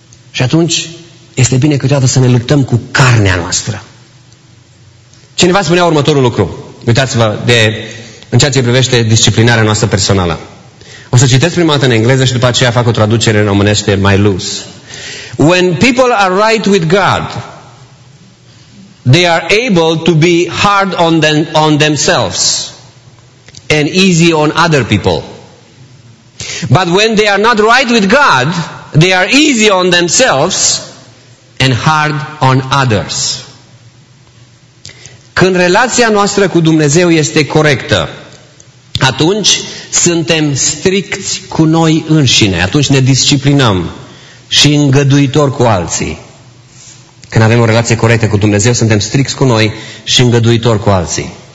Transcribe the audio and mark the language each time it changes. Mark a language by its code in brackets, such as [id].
[ro] Și atunci este bine câteodată să ne luptăm cu carnea noastră. Cineva spunea următorul lucru. Uitați-vă de în ceea ce privește disciplinarea noastră personală. O să citesc prima dată în engleză și după aceea fac o traducere în românește mai loose. [en] When people are right with God, they are able to be hard on themselves and easy on other people. But when they are not right with God, they are easy on themselves and hard on others. [ro] Când relația noastră cu Dumnezeu este corectă, atunci suntem stricți cu noi înșine, atunci ne disciplinăm și îngăduitor cu alții. Când avem o relație corectă cu Dumnezeu, suntem stricți cu noi și îngăduitori cu alții.